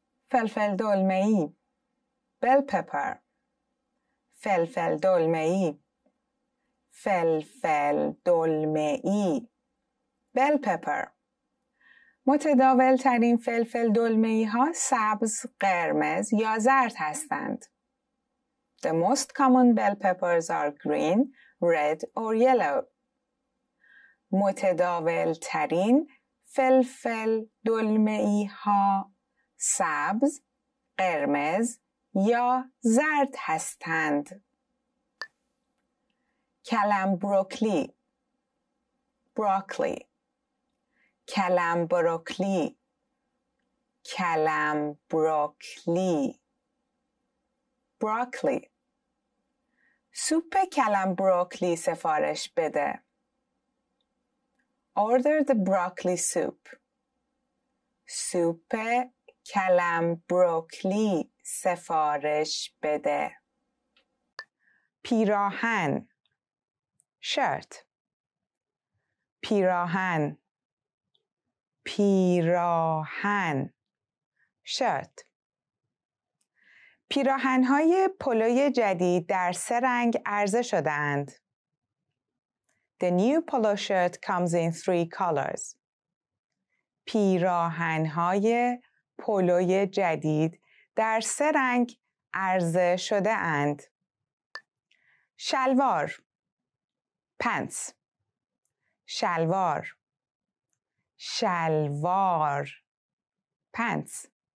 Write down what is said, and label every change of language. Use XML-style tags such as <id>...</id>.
<fa>فلفل دلمه‌ای</fa> <en>bell pepper</en> <fa>فلفل دلمه‌ای فلفل دلمه‌ای bell pepper متداول ترین فلفل دلمه‌ای ها سبز، قرمز یا زرد هستند.</fa> <en>The most common bell peppers are green, red or yellow.</en> <fa>متداول ترین فلفل دلمه‌ای ها سبز، قرمز یا زرد هستند. Kalam broccoli.</fa> <en>Broccoli.</en> <fa>Kalam broccoli. Kalam broccoli.</fa> <en>Broccoli.</en> <fa>سوپ کلم بروکلی سفارش بده.</fa> <en>Order the broccoli soup.</en> <fa>سوپ کلم بروکلی سفارش بده. پیراهن.</fa> <en>Shirt.</en> <fa>پیراهن. پیراهن.</fa> <en>Shirt.</en> <fa>پیراهن‌های پلوی جدید در سه رنگ عرضه شدند.</fa> <en>The new polo shirt comes in three colors.</en> <fa>پیراهن‌های پلوی جدید در سه رنگ عرضه شدند. شلوار.</fa> <en>Pants.</en> <fa>شلوار. شلوار.</fa> <en>Pants.</en>